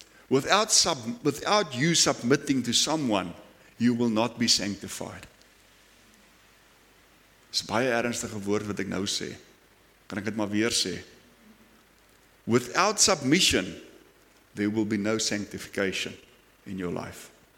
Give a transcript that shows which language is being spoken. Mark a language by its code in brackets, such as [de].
[en] Without you submitting to someone, you will not be sanctified. [af] Dis baie ernstige woord wat ek nou sê. Kan ek dit maar weer sê? [en] Without submission, there will be no sanctification in your life.